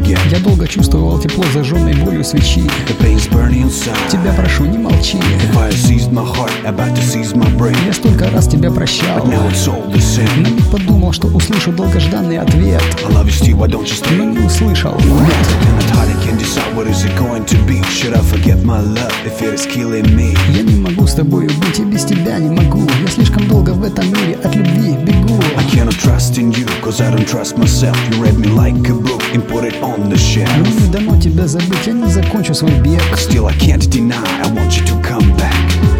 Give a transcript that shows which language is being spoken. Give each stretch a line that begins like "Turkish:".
Russian: Я долго чувствовал тепло, зажженной болью свечи.
English: The pain's burning inside.
Russian: Тебя прошу, не молчи.
English: The fire seized my heart, about to seize my brain.
Russian: Я столько раз тебя прощал.
English: But now it's all the same.
Russian: Но не подумал, что услышу долгожданный ответ.
English: I love you, Steve, why don't you stay?
Russian: Но не услышал. Нет.
English: I cannot hide, I can't decide, what is it going to be? Should I forget my love, if it is killing me?
Russian: Я не могу с тобой быть, и без тебя не могу. Я слишком долго в этом мире от любви бегу.
English: I cannot trust in you, cause I don't trust myself. You read me like a book. And put it on the shelf.
Russian: Но не дано тебя забыть, я не закончу свой бег.
English: Still I can't deny, I want you to come back.